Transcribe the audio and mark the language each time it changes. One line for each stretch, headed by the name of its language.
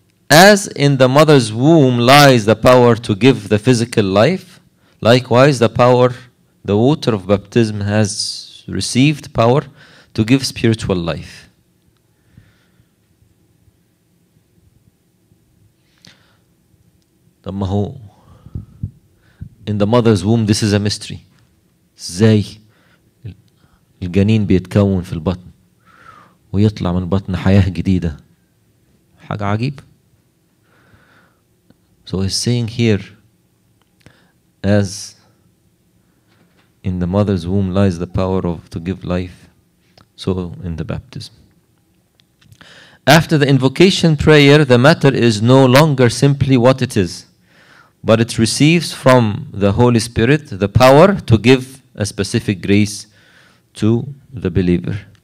English: As in the mother's womb lies the power to give the physical life, likewise the power, the water of baptism has received power to give spiritual life. In the mother's womb, this is a mystery.
Arabic: زي الجنين بيتكون في البطن ويطلع من البطن حياة جديدة. حاجة عجيب.
English: So he's saying here, as in the mother's womb lies the power of to give life, so in the baptism. After the invocation prayer, the matter is no longer simply what it is, but it receives from the Holy Spirit the power to give a specific grace to the believer.